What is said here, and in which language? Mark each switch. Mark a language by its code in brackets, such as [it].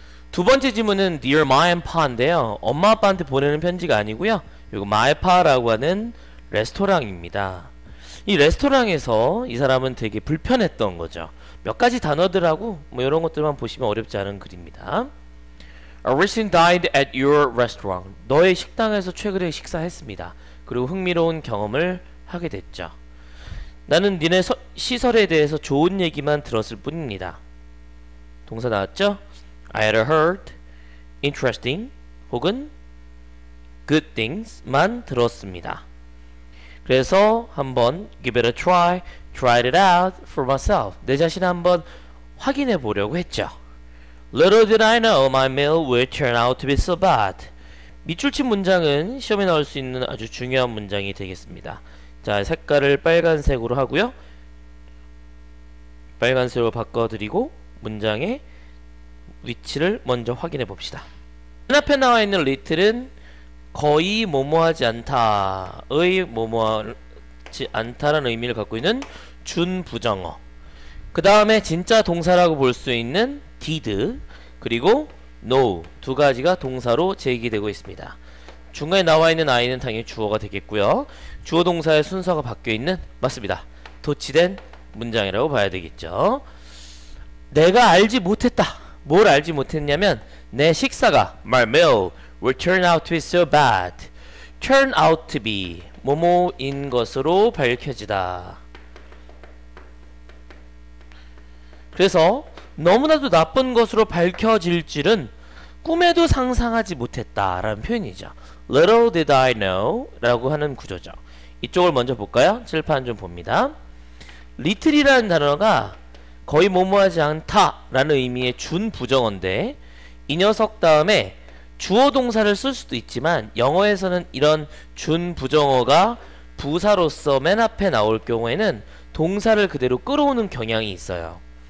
[ko] 두 번째 질문은 Dear My and Pa인데요. 엄마 아빠한테 보내는 편지가 아니고요. 이거 My Pa라고 하는 레스토랑입니다. 이 레스토랑에서 이 사람은 되게 불편했던 거죠. 몇 가지 단어들하고 뭐 이런 것들만 보시면 어렵지 않은 글입니다. [en] A recent dined at your restaurant. [ko] 너의 식당에서 최근에 식사했습니다. 그리고 흥미로운 경험을 하게 됐죠. 나는 니네 시설에 대해서 좋은 얘기만 들었을 뿐입니다. 동사 나왔죠? [en] I had heard interesting [ko] 혹은 [en] good things만 [ko] 들었습니다. 그래서 한번 [en] give it a try, tried it out for myself. [ko] 내 자신 한번 확인해 보려고 했죠. [en] Little did I know my meal would turn out to be so bad. [ko] 밑줄 친 문장은 시험에 나올 수 있는 아주 중요한 문장이 되겠습니다. 자, 색깔을 빨간색으로 하고요. 빨간색으로 바꿔드리고 문장의 위치를 먼저 확인해 봅시다. 맨 앞에 나와 있는 little은 거의 뭐뭐하지 않다의 뭐뭐하지 않다라는 의미를 갖고 있는 준부정어. 그 다음에 진짜 동사라고 볼 수 있는 did 그리고 no 두 가지가 동사로 제기되고 있습니다. 중간에 나와 있는 I는 당연히 주어가 되겠고요. 주어 동사의 순서가 바뀌어 있는 맞습니다. 도치된 문장이라고 봐야 되겠죠. 내가 알지 못했다. 뭘 알지 못했냐면 내 식사가 [en] my meal will turn out to be so bad. [ko] turn out to be 뭐뭐인 것으로 밝혀지다. 그래서 너무나도 나쁜 것으로 밝혀질 줄은 꿈에도 상상하지 못했다 라는 표현이죠. [en] little did I know [ko] 라고 하는 구조죠. 이쪽을 먼저 볼까요? 칠판 좀 봅니다. little 이라는 단어가 거의 뭐뭐하지 않다 라는 의미의 준부정어인데 이 녀석 다음에 주어 동사를 쓸 수도 있지만 영어에서는 이런 준부정어가 부사로서 맨 앞에 나올 경우에는 동사를 그대로 끌어오는 경향이 있어요.